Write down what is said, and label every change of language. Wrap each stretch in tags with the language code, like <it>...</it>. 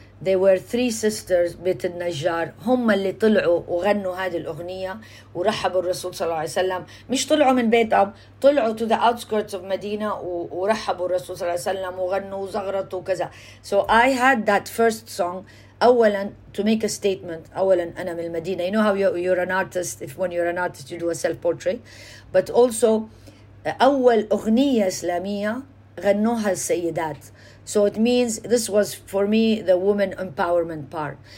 <en>They were three sisters,</en> <ar>بيت النجار, هم اللي طلعوا وغنوا هذه الأغنية ورحبوا الرسول صلى الله عليه وسلم. مش طلعوا من بيتهم, طلعوا</ar> <en>to the outskirts of</en> <ar>مدينة ورحبوا الرسول صلى الله عليه وسلم وغنوا وزغرطوا وكذا.</ar> <en>So I had that first song</en> <ar>أولا</ar> <en>to make a statement.</en> <ar>أولا أنا من المدينة.</ar> <en>You know how you're an artist, if when you're an artist you do a self-portrait.</en> <ar>But also أول أغنية إسلامية غنوها السيدات.</ar> <en>So it means this was for me the woman empowerment part.</en>